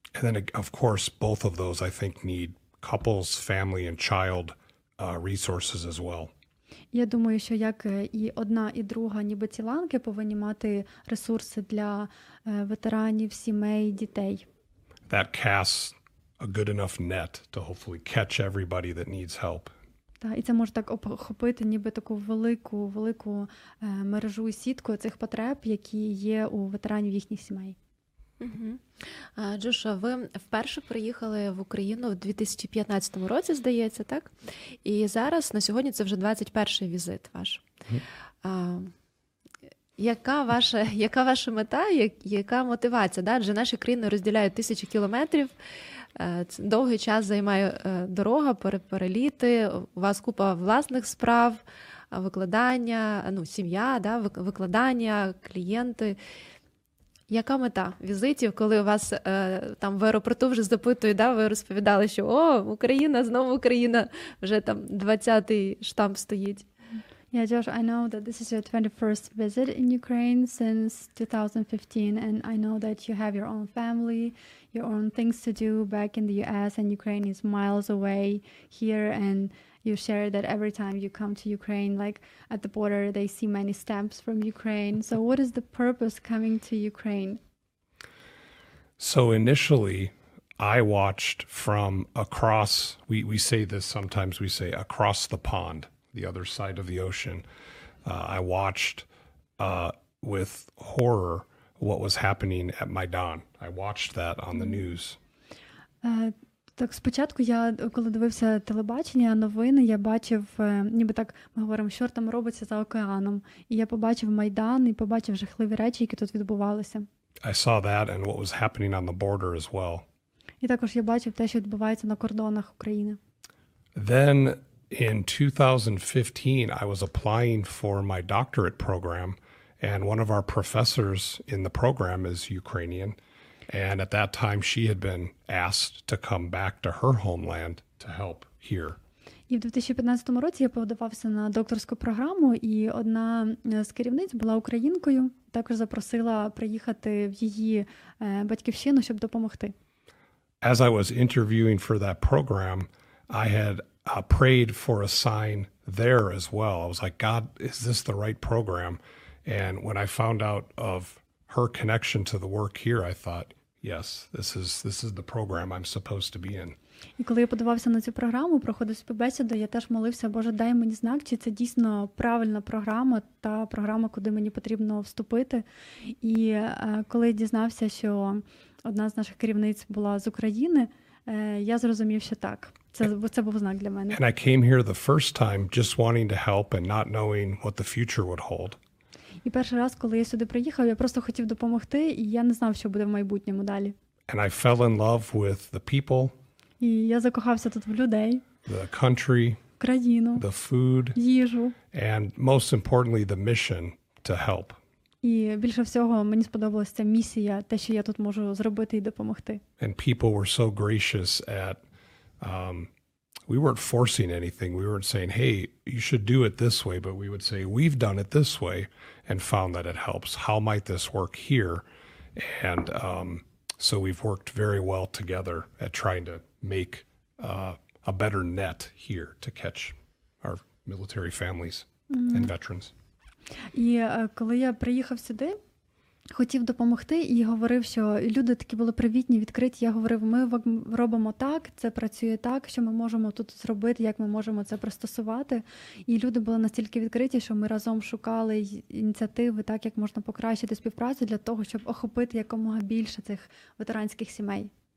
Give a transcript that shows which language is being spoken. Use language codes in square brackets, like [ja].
[en] And then, of course, both of those, I think, need couples, family, and child resources as well. [uk] Я думаю, що як і одна, і друга, ніби ці ланки, повинні мати ресурси для ветеранів, сімей, дітей. [en] That casts a good enough net to hopefully catch everybody that needs help. [uk] І це може так охопити ніби таку велику мережу і сітку цих потреб, які є у ветеранів їхніх сімей. Джошуа, ви вперше приїхали в Україну в 2015 році, здається, так? І зараз, на сьогодні, це вже 21-й візит ваш. Яка ваша мета, яка мотивація? Да? Адже наші країни розділяють тисячі кілометрів. Довгий час займає дорога, переліти, у вас купа власних справ, викладання, ну, сім'я, да, викладання, клієнти. Яка мета візитів, коли у вас там в аеропорту вже запитують, да, ви розповідали, що о, Україна, знову Україна, вже там 20-й штамп стоїть. [en] Yeah, Josh, I know that this is your 21st visit in Ukraine since 2015, and I know that you have your own family, your own things to do back in the U.S., and Ukraine is miles away here, and you share that every time you come to Ukraine, like at the border, they see many stamps from Ukraine. So what is the purpose coming to Ukraine? So initially, I watched from across, we say this sometimes, we say across the pond, the other side of the ocean. I watched with horror what was happening at Maidan. I watched that on the news. [uk] Так, спочатку я, коли дивився телебачення, новини, я бачив, ніби так, ми говоримо, що там робиться за океаном. І я побачив Майдан, і побачив жахливі речі, які тут відбувалися. [en] I saw that and what was happening on the border as well. [uk] І також я бачив те, що відбувається на кордонах України. [en] Then in 2015, I was applying for my doctorate program, and one of our professors in the program is Ukrainian. And at that time, she had been asked to come back to her homeland to help here. [uk] І в 2015 році я подавався на докторську програму, і одна з керівниць була українкою, також запросила приїхати в її батьківщину, щоб допомогти. [en] As I was interviewing for that program, I had prayed for a sign there as well. I was like, God, is this the right program? And when I found out of her connection to the work here, I thought, yes, this is the program I'm supposed to be in. [uk] І коли я подавався на цю програму, проходив співбесіду, я теж молився, Боже, дай мені знак, чи це дійсно правильна програма, та програма, куди мені потрібно вступити. І коли я дізнався, що одна з наших керівниць була з України, я зрозумів, що так. Це був знак для мене. [en] And I came here the first time just wanting to help and not knowing what the future would hold. [uk] І перший раз, коли я сюди приїхав, я просто хотів допомогти, і я не знав, що буде в майбутньому далі. [en] And I fell in love with the people. [uk] І я закохався тут в людей. [en] The country. [uk] Країну. [en] The food. [uk] Їжу. [en] And most importantly, the mission to help. [uk] І більше всього мені сподобалася ця місія, те, що я тут можу зробити і допомогти. [en] And people were so gracious at we weren't forcing anything. We weren't saying, hey, you should do it this way. But we would say, we've done it this way and found that it helps. How might this work here? And so we've worked very well together at trying to make a better net here to catch our military families and veterans. [uk] І коли я приїхав сюди, хотів допомогти і говорив, що люди такі були привітні, відкриті. Я говорив, ми робимо так, це працює так, що ми можемо тут зробити, як ми можемо це пристосувати. І люди були настільки відкриті, що ми разом шукали ініціативи, так, як можна покращити співпрацю для того, щоб охопити якомога більше цих ветеранських сімей.